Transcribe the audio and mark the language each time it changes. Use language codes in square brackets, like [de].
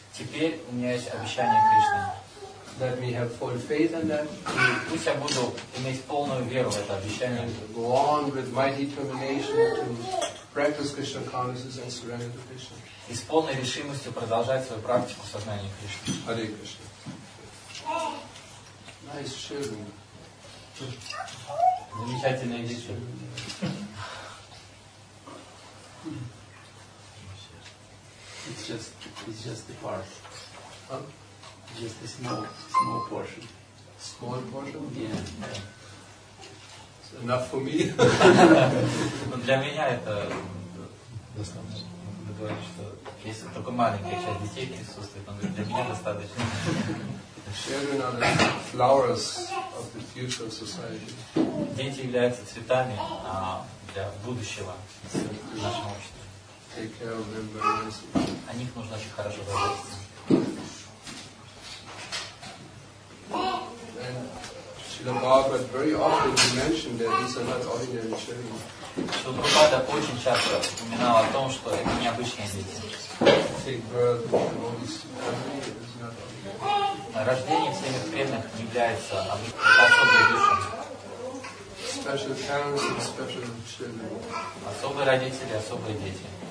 [ru] Теперь у меня есть обещание Кришны. [en] Let me have full faith in that. [ru] И пусть я буду иметь полную веру в это обещание. [en] Go on with my determination to practice Krishna consciousness and surrender to Krishna. [ru] И с полной решимостью продолжать свою практику сознания Кришны. [en] Hare Krishna. Nice shirt. [ru] Замечательная вещь. [en] It's just the part. Just a small portion. Small portion? Yeah. So enough for me. [ru] Для меня это достаточно. Он говорит, что если только маленькая часть детей присутствует, он говорит, для меня достаточно. [en] Children are the flowers of the future society. [ru] Дети являются цветами для будущего нашего общества. [en] Take care of them very nicely. [ru] О них нужно очень хорошо заботиться. [en] Srila Prabhupada very often mentioned that these are not ordinary children. [ru] Srila Prabhupada очень часто упоминал о том, что это необычные дети. [en] Take birth of the devotee's family is not ordinary. [ru] Рождение в семье преданных не является особой душой. [en] Special parents and special children. [ru] Особые родители, особые дети.